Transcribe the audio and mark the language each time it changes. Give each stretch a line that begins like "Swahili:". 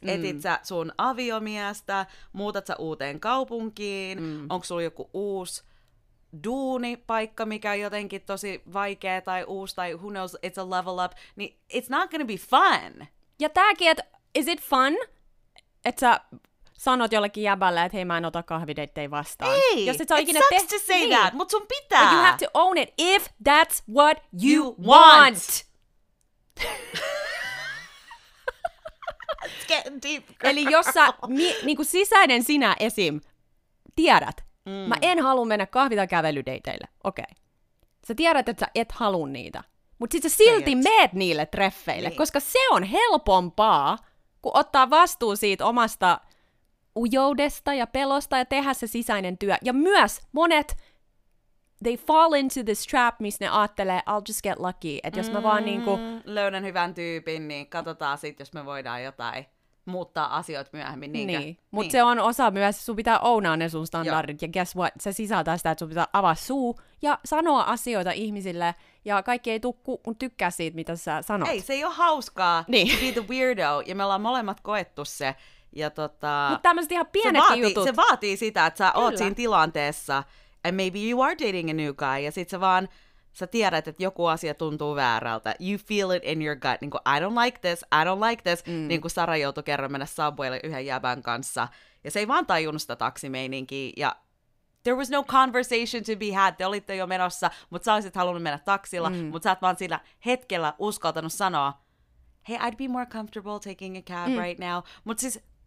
Finnish: Etit sä sun aviomiestä, muutat sä uuteen kaupunkiin, onko sulla joku uusi duunipaikka, mikä on jotenkin tosi vaikea tai uusi, tai
English: who knows, it's a level up. Niin it's not gonna be fun.
Finnish: Ja tääkin, että
English: is it fun,
Finnish: että sä sanot jollekin jäbälle, että hei, mä en ota kahvideittei vastaan. Ei, jos et saa ikinä
English: it sucks to say
Finnish: niin. That, mut sun pitää.
English: But you have to own it if that's what you want. Deep,
Finnish: eli jos sä, niinku sisäinen sinä esim, tiedät, mä en halua mennä kahvi- tai kävelydeiteille, okei. Okay. Sä tiedät, että sä et halua niitä. Mut sit sä silti meet niille treffeille, niin. Koska se on helpompaa, kun ottaa vastuu siitä omasta ujoudesta ja pelosta ja tehdä se sisäinen työ. Ja myös monet,
English: they fall into this trap,
Finnish: missä ne ajattelee,
English: I'll just get lucky.
Finnish: Että jos mä vaan niinku löydän hyvän tyypin, niin katsotaan sit, jos me voidaan jotain muuttaa asioita myöhemmin. Niinkö? Niin, mutta niin. Se on osa myös, sun pitää ownaa ne sun standardit. Joo. Ja
English: guess what,
Finnish: se sisältää sitä, että sun pitää avaa suu ja sanoa asioita ihmisille. Ja kaikki ei tuu tykkää siitä, mitä sä sanot. Ei, se ei ole hauskaa niin.
English: To be the weirdo.
Finnish: Ja me ollaan molemmat koettu se. Mutta tämmöiset ihan pienetkin jutut. Se vaatii sitä, että sä oot siinä tilanteessa.
English: And maybe you are dating a new guy.
Finnish: Ja sit sä vaan, sä tiedät, että joku asia tuntuu väärältä.
English: You feel it in your gut.
Finnish: Niin kuin,
English: I don't like this, I don't like this. Mm.
Finnish: Niin kuin Sara joutui kerran mennä Subwaylle yhden jäbän kanssa. Ja se ei vaan tajunnut sitä taksimeininkiä. Ja
English: there was no conversation to be had.
Finnish: Te olitte jo menossa, mutta sä olisit halunnut mennä taksilla. Mm. Mutta sä oot vaan sillä hetkellä uskaltanut sanoa,
English: hey, I'd be more comfortable taking a cab right now.
Finnish: Mutta siis,